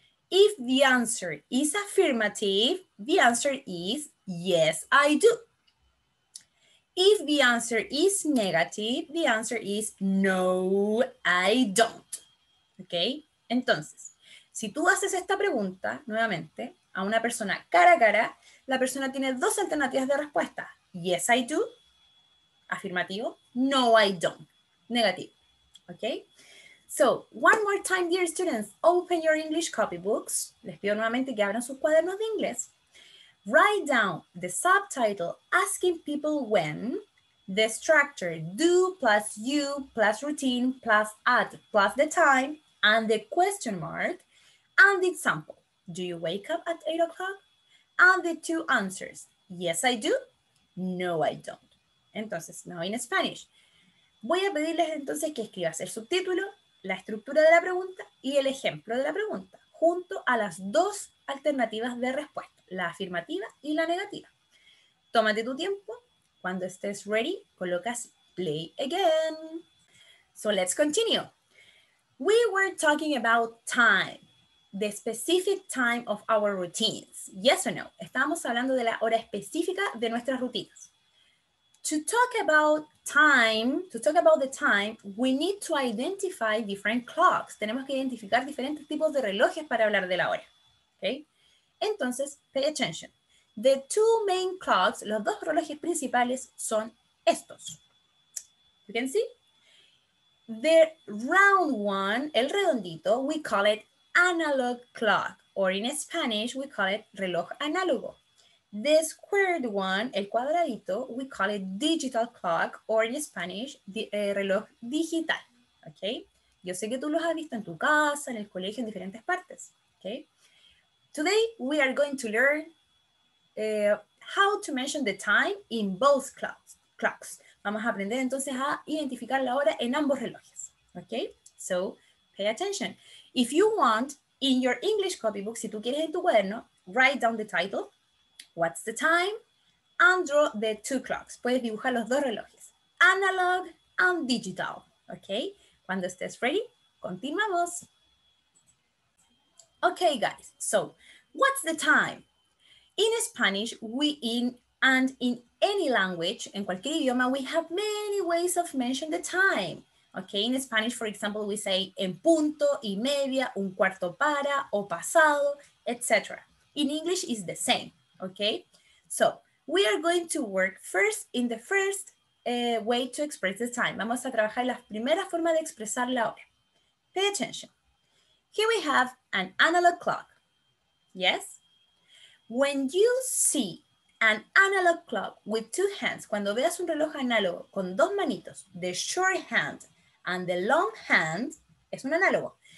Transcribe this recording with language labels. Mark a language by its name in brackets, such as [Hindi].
[English] If the answer is affirmative, the answer is yes, I do. If the answer is negative, the answer is no, I don't. ¿Ok? [Spanish] Entonces, si tú haces esta pregunta nuevamente a una persona cara a cara, la persona tiene dos alternativas de respuesta. [English] Yes, I do. Afirmativo. No, I don't. Negativo. Okay? So, one more time, dear students, open your English copybooks. [Spanish] Les pido nuevamente que abran sus cuadernos de inglés. [English] Write down the subtitle, asking people when, the structure, do plus you plus routine plus at plus the time, and the question mark, and the example, do you wake up at 8 o'clock? And the two answers, yes, I do, no, I don't. Entonces, now in Spanish. [Spanish] Voy a pedirles entonces que escribas el subtítulo, la estructura de la pregunta y el ejemplo de la pregunta, junto a las dos alternativas de respuesta, la afirmativa y la negativa. Tómate tu tiempo. Cuando estés ready, colocas play again. [English] So let's continue. We were talking about time, the specific time of our routines. Yes or no? [Spanish] Estábamos hablando de la hora específica de nuestras rutinas. [English] To talk about time, to talk about the time, we need to identify different clocks. [Spanish] Tenemos que identificar diferentes tipos de relojes para hablar de la hora. [English] Okay? Entonces, pay attention. The two main clocks, [Spanish] los dos relojes principales, son estos. [English] You can see? The round one, [Spanish] el redondito, [English] we call it analog clock. Or in Spanish, we call it reloj análogo. The squared one, [Spanish] el cuadradito, [English] we call it digital clock, or in Spanish, reloj digital, okay? [Spanish] Yo sé que tú los has visto en tu casa, en el colegio, en diferentes partes, okay? [English] Today, we are going to learn how to mention the time in both clocks. [Spanish] Vamos a aprender entonces a identificar la hora en ambos relojes, okay? [English] So, pay attention. If you want, in your English copybook, [Spanish] si tú quieres en tu cuaderno, [English] write down the title. What's the time? And draw the two clocks. [Spanish] Puedes dibujar los dos relojes. [English] Analog and digital. Okay? [Spanish] Cuando estés ready, continuamos. Okay, guys. [English] So, what's the time? In Spanish, in any language, [Spanish] en cualquier idioma, [English] we have many ways of mentioning the time. Okay? In Spanish, for example, we say en punto, y media, un cuarto para, o pasado, etc. In English, it's the same. Okay, so we are going to work first in the first way to express the time. [Spanish] Vamos a trabajar la primera forma de expresar la hora. [English] Pay attention. Here we have an analog clock. Yes? When you see an analog clock with two hands, [Spanish] cuando veas un reloj análogo con dos manitos, [English] the short hand and the long hand, [Spanish] es un análogo.